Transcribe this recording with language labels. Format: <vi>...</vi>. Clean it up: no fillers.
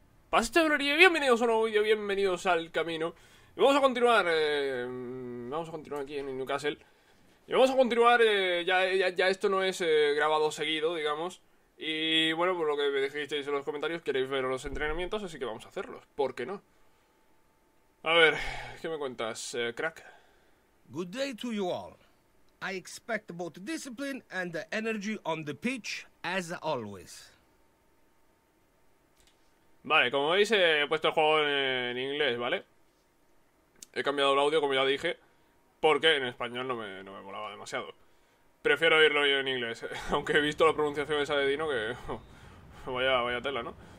<es>Bienvenidos a un nuevo vídeo, bienvenidos al camino. Y vamos a continuar, vamos a continuar aquí en Newcastle. Y vamos a continuar, ya esto no es grabado seguido, digamos. Y bueno, por lo que me dijisteis en los comentarios, queréis ver los entrenamientos, así que vamos a hacerlos. ¿Por qué no? A ver, ¿qué me cuentas, crack?</es> <en>Good day to you all. I expect both discipline and energy on the pitch, as always.</en> <es>Vale, como veis, he puesto el juego en inglés, ¿vale? He cambiado el audio, como ya dije, porque en español no me molaba demasiado. Prefiero oírlo yo en inglés, ¿eh? Aunque he visto la pronunciación esa de Dino que... Oh, vaya tela, ¿no?</es>